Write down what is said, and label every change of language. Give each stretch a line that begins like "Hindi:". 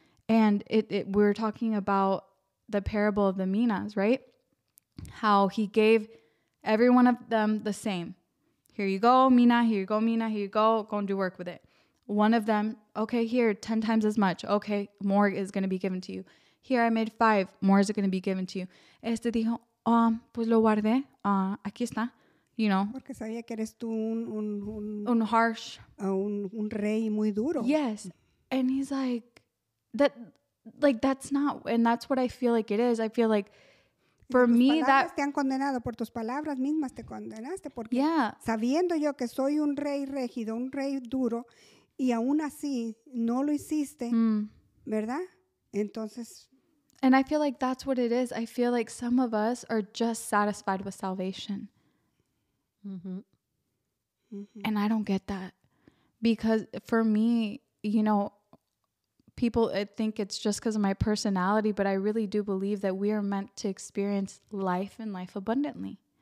English: And it we're talking about the parable of the minas, right? How he gave every one of them the same. Here you go, mina. Here you go, mina. Here you go. Go and do work with it. One of them, okay, here, 10 times as much. Okay, more is going to be given to you. Here, I made 5. More is going to be given to you.
Spanish: Este dijo, pues lo guardé. Aquí está.
English: You know.
Spanish: Porque sabía que eres tú un
English: harsh.
Spanish: Un rey muy duro.
English: Yes. And he's like, that's not, and that's what I feel like it is. I feel like, for me, that.
Spanish: Te han condenado por tus palabras mismas, te condenaste. Porque
English: yeah.
Spanish: Sabiendo yo que soy un rey rígido, un rey duro, y aún así no lo hiciste, ¿verdad? Entonces.
English: And I feel like that's what it is. I feel like some of us are just satisfied with salvation. Mm-hmm. And I don't get that. Because for me, you know, people think it's just because of my personality, but I really do believe that we are meant to experience life and life abundantly.